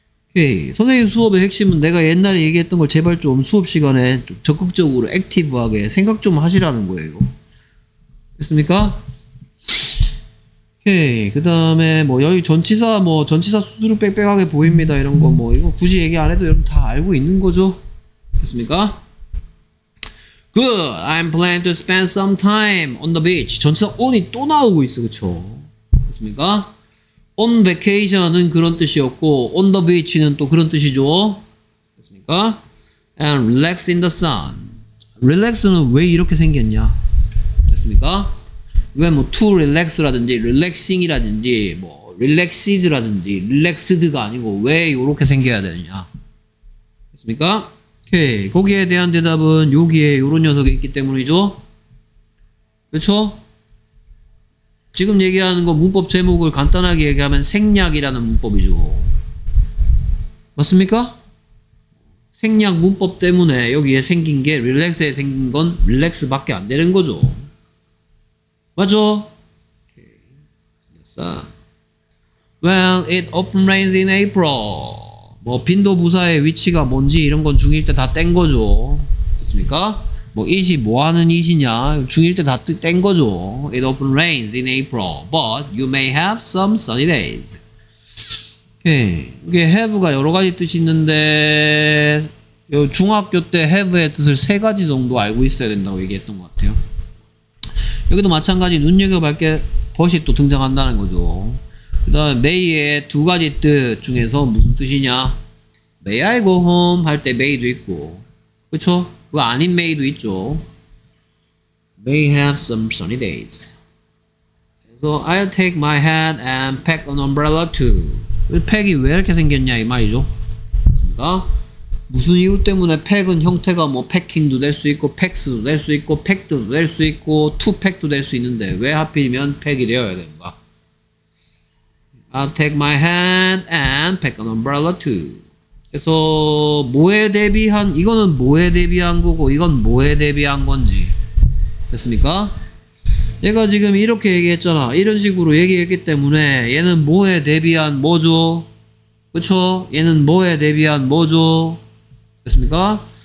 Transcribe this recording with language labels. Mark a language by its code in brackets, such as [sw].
[ko] 오케이. 선생님 수업의 핵심은 내가 옛날에 얘기했던 걸 제발 좀 수업 시간에 좀 적극적으로 액티브하게 생각 좀 하시라는 거예요. 됐습니까? 오케이. 그 다음에 뭐 여기 전치사 뭐 전치사 수술을 빽빽하게 보입니다 이런 거 뭐 이거 굳이 얘기 안 해도 여러분 다 알고 있는 거죠? 됐습니까? [en] Good. I'm planning to spend some time on the beach. [ko] 전치사 on이 또 나오고 있어. 그쵸? 됐습니까? On vacation은 그런 뜻이었고 [en] on the beach [ko] 는 또 그런 뜻이죠. 됐습니까? [en] And relax in the sun. [ko] Relax는 왜 이렇게 생겼냐? 됐습니까? 왜 뭐 to relax라든지 relaxing이라든지 뭐 relaxes라든지 relaxed가 아니고 왜 이렇게 생겨야 되느냐? 됐습니까? 오케이. 거기에 대한 대답은 여기에 요런 녀석이 있기 때문이죠. 그쵸? 지금 얘기하는 거 문법 제목을 간단하게 얘기하면 생략이라는 문법이죠. 맞습니까? 생략 문법 때문에 여기에 생긴 게 릴렉스에 생긴 건 릴렉스밖에 안 되는 거죠. 맞죠? 됐어. [en] Well, it often rains in April. [ko] 뭐 빈도 부사의 위치가 뭔지 이런 건 중1 때 다 뗀 거죠. 됐습니까? 뭐 it이 뭐하는 it이냐? 중1 때 다 뗀 거죠. [en] It often rains in April, but you may have some sunny days. [ko] 오케이. 이게 have가 여러 가지 뜻이 있는데 중학교 때 have의 뜻을 세 가지 정도 알고 있어야 된다고 얘기했던 것 같아요. 여기도 마찬가지 눈여겨볼게 but이 또 등장한다는 거죠. 그 다음에 may의 두 가지 뜻 중에서 무슨 뜻이냐? [en] May I go home [ko] 할 때 may도 있고 그쵸? 그거 아닌 may도 있죠. [en] May have some sunny days. So I'll take my hat and pack an umbrella too. [ko] 팩이 왜 이렇게 생겼냐 이 말이죠. 맞습니까? 무슨 이유 때문에 팩은 형태가 뭐 packing도 될 수 있고 packs도 될 수 있고 packed도 될 수 있고 to pack도 될 수 있는데 왜 하필이면 팩이 되어야 되는가? [en] I'll take my hand and pack an umbrella too. [ko] 그래서 뭐에 대비한 이거는 뭐에 대비한 거고 이건 뭐에 대비한 건지 됐습니까? 얘가 지금 이렇게 얘기했잖아. 이런 식으로 얘기했기 때문에 얘는 뭐에 대비한 뭐죠? 그쵸? 얘는 뭐에 대비한 뭐죠? 됐습니까?